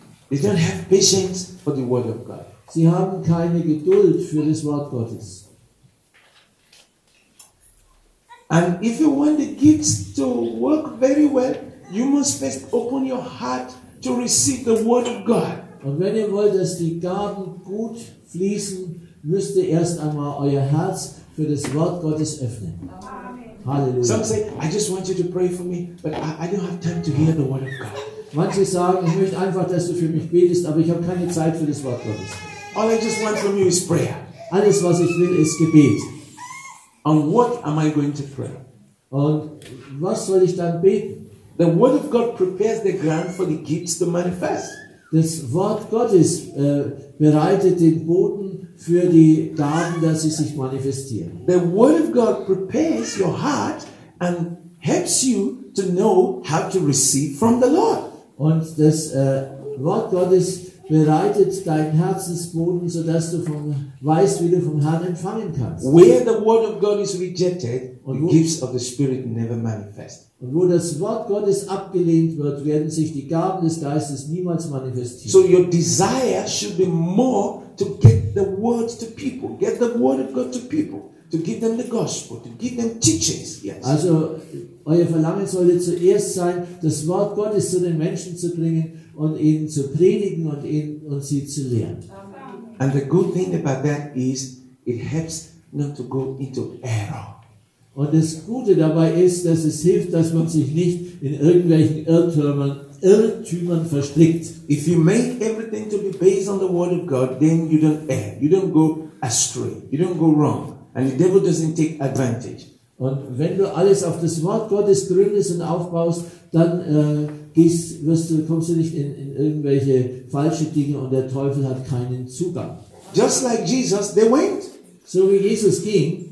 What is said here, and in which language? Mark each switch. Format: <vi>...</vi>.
<en>They don't have patience for the word of God.</en> <de>Sie haben keine Geduld für das Wort Gottes.</de> <en>And if you want the gifts to work very well, you must first open your heart to receive the word of God.</en> <de>Und wenn ihr wollt, dass die Gaben gut fließen, müsst ihr erst einmal euer Herz für das Wort Gottes öffnen. Halleluja.</de> <en>Some say, I just want you to pray for me, but I don't have time to hear the word of God.</en> <de>Manche sagen, ich möchte einfach, dass du für mich betest, aber ich habe keine Zeit für das Wort Gottes.</de> <en>All I just want from you is prayer.</en> <de>Alles, was ich will, ist Gebet.</de> <en>And what am I going to pray?</en> <de>Und was soll ich dann beten?</de> <en>The word of God prepares the ground for the gifts to manifest.</en> <de>Das Wort Gottes bereitet den Boden für die Gaben, dass sie sich manifestieren.</de> <en>The word of God prepares your heart and helps you to know how to receive from the Lord.</en> <de>Und das Wort Gottes bereitet deinen Herzensboden, sodass du vom, weißt, wie du vom Herrn empfangen kannst.</de> <en>Where the word of God is rejected, the gifts of the Spirit never manifest.</en> <de>Und wo das Wort Gottes abgelehnt wird, werden sich die Gaben des Geistes niemals manifestieren.</de> <en>So your desire should be more to get the word to people, get the word of God to people, to give them the gospel, to give them teachings. Yes.</en> <de>Also euer Verlangen sollte zuerst sein, das Wort Gottes zu den Menschen zu bringen und ihnen zu predigen und ihnen und sie zu lehren.</de> <en>And the good thing about that is it helps not to go into error.</en> <de>Und das Gute dabei ist, dass es hilft, dass man sich nicht in irgendwelchen Irrtümern verstrickt.</de> <en>If you make everything to be based on the word of God, then you don't err. You don't go astray. You don't go wrong. And the devil doesn't take advantage.</en> <de>Und wenn du alles auf das Wort Gottes gründest und aufbaust, dann kommst du nicht in irgendwelche falsche Dinge und der Teufel hat keinen Zugang.</de> <en>Just like Jesus, they went.</en> <de>So wie Jesus ging.</de>